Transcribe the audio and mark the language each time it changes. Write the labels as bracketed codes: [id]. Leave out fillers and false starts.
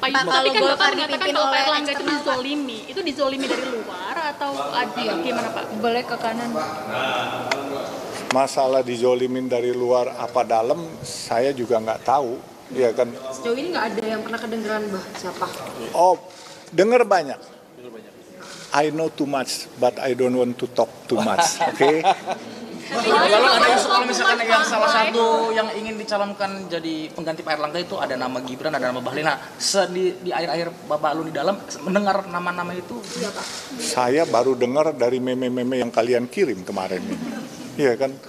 [id] Tapi kan Bapak mengatakan kalau Pak Erlangga itu dizolimi. Itu dizolimi dari luar atau gimana Pak? Boleh ke kanan. Masalah dizolimin dari luar apa dalam, saya juga enggak tahu. Ya kan? Sejauh ini enggak ada yang pernah kedengeran, Mbah, siapa? Oh, dengar banyak. [en] I know too much, but I don't want to talk too much. [id] Oke. [en] Okay? [id] Lalu ada yang kalau misalkan yang salah satu yang ingin dicalonkan jadi pengganti Pak Erlangga itu ada nama Gibran, ada nama Bahlil. Di akhir-akhir Bapak Alun di dalam mendengar nama-nama itu. Iya, Pak. Saya baru dengar dari meme-meme yang kalian kirim kemarin. Iya kan?